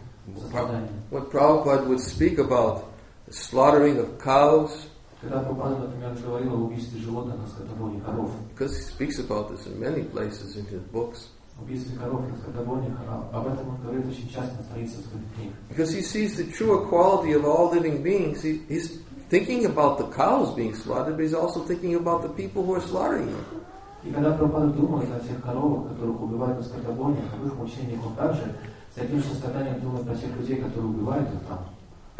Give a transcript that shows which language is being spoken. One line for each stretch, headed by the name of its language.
English: When Prabhupada would speak about the slaughtering of cows,
Russian: когда Прабхупада, например, говорил об убийстве животных на скотобойне коров,
English: because he speaks about this in many places in his books,
Russian: убийстве коров на скотобойнях, об этом он говорит очень часто на страницах своих книг.
English: Because he sees the true equality of all living beings, he's thinking about the cows being slaughtered, but he's also thinking about the people who are slaughtering them.
Russian: И когда Прабхупада думает о тех коровах, которых убивают на скотобойнях, об их мучениях, он также с этим состраданием думает о тех людей, которые убивают их там.